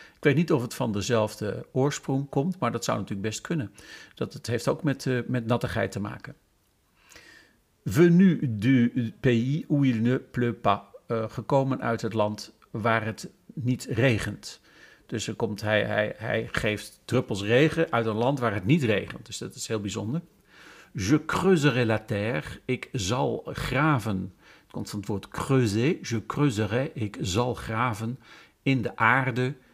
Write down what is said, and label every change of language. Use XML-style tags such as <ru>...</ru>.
<nl>Ik weet niet of het van dezelfde oorsprong komt, maar dat zou natuurlijk best kunnen. Dat het heeft ook met nattigheid te maken.</nl> <fr>Venu du pays où il ne pleut pas.</fr> <nl>Gekomen uit het land waar het niet regent. Dus er komt hij geeft druppels regen uit een land waar het niet regent. Dus dat is heel bijzonder.</nl> <fr>Je creuserai la terre.</fr> <nl>Ik zal graven. Het komt van het woord creuser.</nl> <fr>Je creuserai.</fr> <nl>Ik zal graven in de aarde.</nl>